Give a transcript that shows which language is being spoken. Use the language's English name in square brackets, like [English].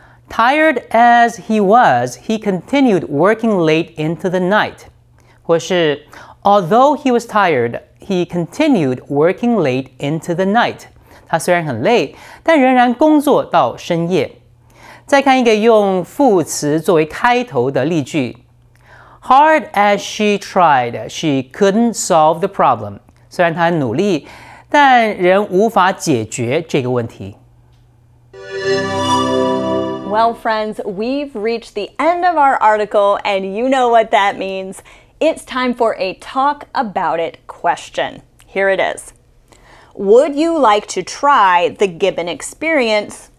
[English] Tired as he was, he continued working late into the night. [Chinese] 或是 [English] Although he was tired, he continued working late into the night. [Chinese] 他虽然很累，但仍然工作到深夜。再看一个用副词作为开头的例句。 [English] Hard as she tried, she couldn't solve the problem. [Chinese] 虽然她很努力，但仍无法解决这个问题。 [English] Well, friends, we've reached the end of our article, and you know what that means. It's time for a talk about it question. Here it is. Would you like to try the Gibbon experience?